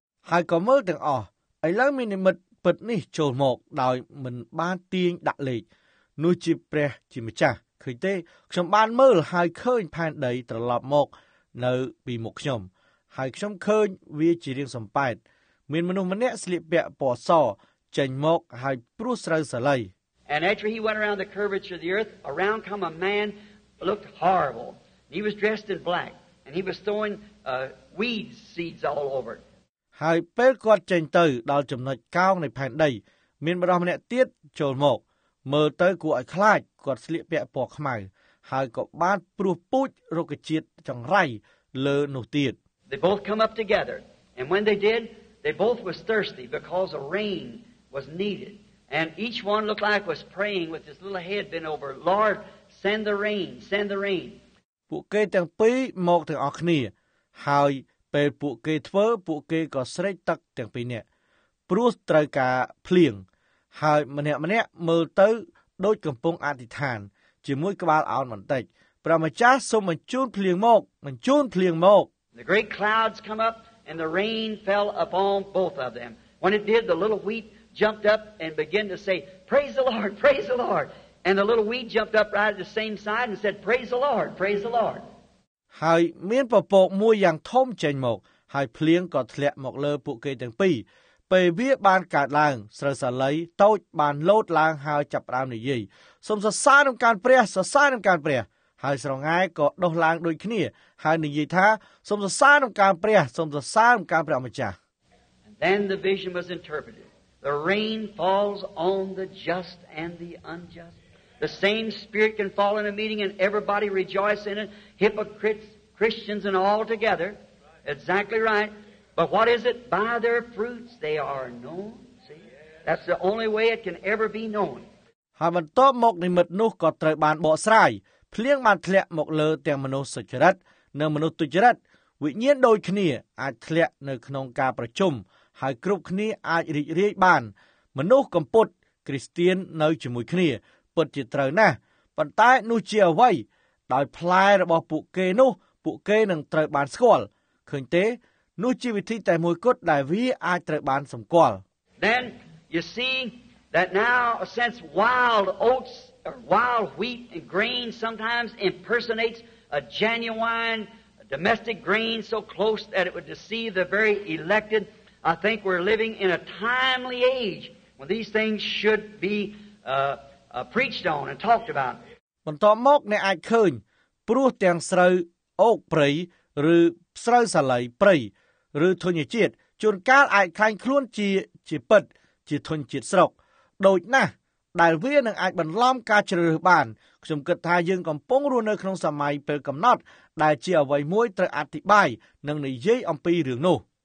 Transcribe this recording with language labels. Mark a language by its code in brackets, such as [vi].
[km] ហើយក៏មើលទាំងអស់ឥឡូវមាននិមិត្តពិតនេះចូលមកដោយមិនបានទាញដាក់លេខនោះជាព្រះជាម្ចាស់ឃើញទេខ្ញុំបានមើលហើយឃើញផែនដីត្រឡប់មកនៅពីមុខខ្ញុំហើយខ្ញុំឃើញវាជារឿងសំប៉ែតមានមនុស្សម្នាក់ស្លៀកពាក់ពណ៌សចេញមកហើយព្រោះស្រូវសាលី [en] And after he went around the curvature of the earth around come a man looked horrible he was dressed in black and he was throwing weed seeds all over [km] ហើយពេលគាត់ចេញទៅដល់ចំណុចកោងនៃផែនដីមានបរិសម្នាក់ទៀតចូលមកមើលទៅគួរឲ្យខ្លាចគាត់ស្លៀកពាក់ពណ៌ខ្មៅហើយក៏បានព្រោះពូជរុក្ខជាតិចង្រៃលើនោះទៀត [en] They both come up together and when they did they both was thirsty because a rain was needed and each one looked like was praying with his little head bent over Lord send the rain send the rain [km] ពួកគេទាំងពីរមកទាំងអស់គ្នាហើយពេលពួកគេធ្វើពួកគេក៏ស្រេចទឹកទាំងពីរនាក់ព្រោះត្រូវការភ្លៀងហើយម្នាក់ម្នាក់មើលទៅដូចកំពុងអធិដ្ឋាន ជាមួយក្បាលអោនបន្តិចព្រះម្ចាស់សូមបញ្ជូនភ្លៀងមកបញ្ជូនភ្លៀងមក [en] The great clouds come up and the rain fell upon both of them. When it did, the little wheat jumped up and began to say, Praise the Lord, praise the Lord. And the little wheat jumped up right at the same side and said, Praise the Lord, praise the Lord. [km] ហើយមានពពកមួយយ៉ាងធំចេញមកហើយភ្លៀងក៏ធ្លាក់មកលើពួកគេទាំងពីរពេលវាបានកើតឡើងស្រូវសាលីតូចបានលោតឡើងហើយចាប់ផ្ដើមនិយាយសូមសរសើរនឹងការព្រះសរសើរនឹងការព្រះហើយស្រងាយក៏ដុះឡើងដូចគ្នាហើយនិយាយថាសូមសរសើរនឹងការព្រះសូមសរសើរនឹងការព្រះម្ចាស់ [en] Then the vision was interpreted. The rain falls on the just and the unjust. The same spirit can fall in a meeting and everybody rejoice in it. Hypocrites, Christians and all together. Exactly right. But what is it? By their fruits they are known. See? That's the only way it can ever be known. [km] ហើយបន្ទាប់មកនិមិត្តនោះក៏ត្រូវបានបកស្រាយភ្លៀងបានធ្លាក់មកលើទាំងមនុស្សសុចរិតនិងមនុស្សទុច្ចរិតវិញ្ញាណដូចគ្នាអាចធ្លាក់នៅក្នុងការប្រជុំហើយគ្រប់គ្នាអាចរីករាយបានមនុស្សកំពុតគ្រីស្ទៀននៅជាមួយគ្នាពិតជាត្រូវណាស់ប៉ុន្តែនោះជាអ្វីដោយផ្លែរបស់ពួកគេនោះពួកគេនឹងត្រូវបានស្គាល់ឃើញទេនោះជាវិធីតែមួយគត់ដែលវាអាចត្រូវបានសម្គាល់ [en] Then you see that now since wild oats or wild wheat and grain sometimes impersonates a genuine domestic grain so close that it would deceive the very elected I think we're living in a timely age when these things should be preached on and talked about [km] បន្តមកអ្នកអាចឃើញព្រោះទាំងស្រូវអោកព្រៃឬស្រូវសាលីព្រៃឬធញ្ញជាតិជួនកាលអាចខ្លាញ់ខ្លួនជាពិតជាធញ្ញជាតិស្រុកដូចណាស់ដែលវានឹងអាចបន្លំការជ្រើសរើសបានខ្ញុំគិតថាយើងកំពុងរស់នៅក្នុងសម័យពេលកំណត់ដែលជាអ្វីមួយត្រូវអធិប្បាយនិងនិយាយអំពីរឿងនោះ